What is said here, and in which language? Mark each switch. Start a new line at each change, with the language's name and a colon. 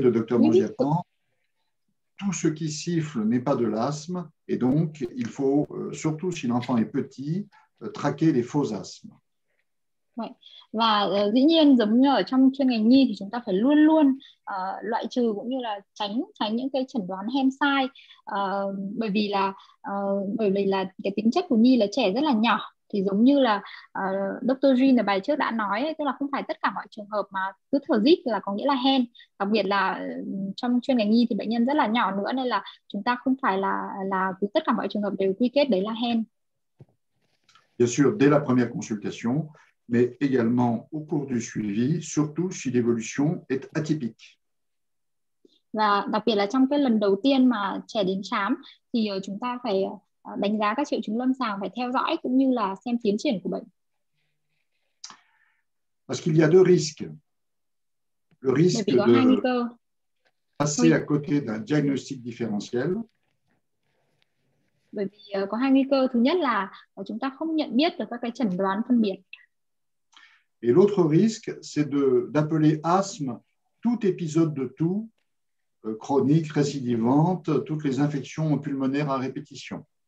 French: le docteur Mangiapan, tout ce qui siffle n'est pas de l'asthme, et donc il faut, surtout si l'enfant est petit, traquer les faux asthmes. Ouais.
Vietnamese: Và dĩ nhiên giống như ở trong chuyên ngành nhi thì chúng ta phải luôn luôn loại trừ cũng như là tránh những cái chẩn đoán hen sai, bởi vì là cái tính chất của nhi là trẻ rất là nhỏ thì giống như là Dr. Jean ở bài trước đã nói ấy, tức là không phải tất cả mọi trường hợp mà cứ thở rít là có nghĩa là hen, đặc biệt là trong chuyên ngành nhi thì bệnh nhân rất là nhỏ nữa nên là chúng ta không phải là cứ tất cả mọi trường hợp đều quy kết đấy là hen.
French: Bien sûr, dès la première consultation mais également au cours du suivi, surtout si l'évolution est atypique.
Vietnamese: Và đặc biệt là trong cái lần đầu tiên mà trẻ đến khám thì chúng ta phải đánh giá các triệu chứng lâm sàng, phải theo dõi cũng như là xem tiến triển của bệnh.
French: Parce qu'il y a deux risques. Le risque de passer à côté d'un diagnostic différentiel.
Vietnamese: Bởi vì có hai nguy cơ, thứ nhất là chúng ta không nhận biết được các cái chẩn đoán phân biệt.
French: Et l'autre risque, c'est d'appeler asthme tout épisode de toux chronique, récidivante, toutes les infections pulmonaires à répétition.